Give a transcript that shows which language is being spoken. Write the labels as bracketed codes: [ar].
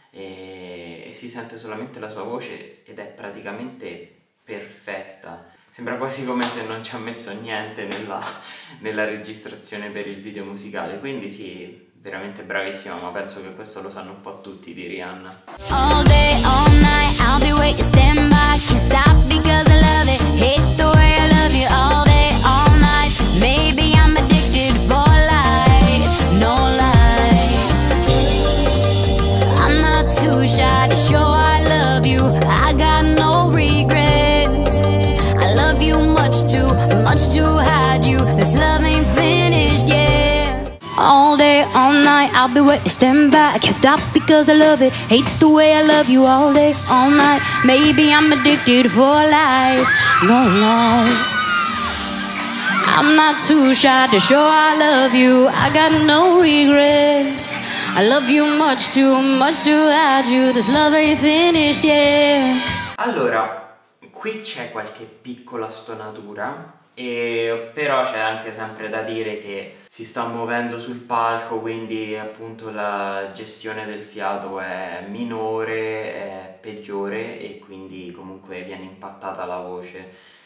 [it] e si sente solamente la sua voce ed è praticamente perfetta. Sembra quasi come se non ci ha messo niente nella registrazione per il video musicale, quindi sì, veramente bravissima, ma penso che questo lo sanno un po' tutti di Rihanna. [en] All day, all night, I'll be waiting, stand by, can't stop because I love it, hate the way I love you. All day, all night, maybe I'm addicted for life, no lie. I'm not too shy to show I love you, I got no regrets. I love you much too hide you, this love ain't finished yet. All day, all night, I'll be waiting, stand by, I can't stop because I love it, hate the way I love you. All day, all night, maybe I'm addicted for life, no lie. I'm not too shy to show I love you, I got no regrets. I love you much too hide you, this love ain't finished yet. [it] Allora, qui c'è qualche piccola stonatura. E però c'è anche sempre da dire che si sta muovendo sul palco, quindi appunto la gestione del fiato è minore, è peggiore e quindi comunque viene impattata la voce.